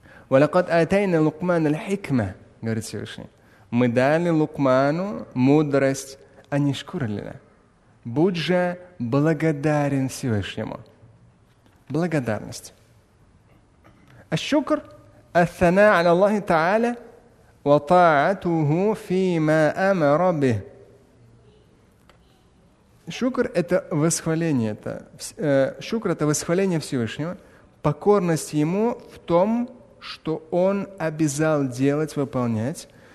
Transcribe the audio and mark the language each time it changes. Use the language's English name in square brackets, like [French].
[Arabic] وَلَقَدْ آتَيْنَا لُقْمَانَ الْحِكْمَةِ [Russian] говорит Всевышний. Мы дали Лукману мудрость, а не шкурлина. Будь же благодарен Всевышнему. Благодарность. [Arabic] الشكر الثناء على الله تعالى وطاعته فيما أمر به. [Russian] Шукр – это восхваление. Шукр – это восхваление Всевышнего. Покорность Ему в том, что он обязал делать, выполнять.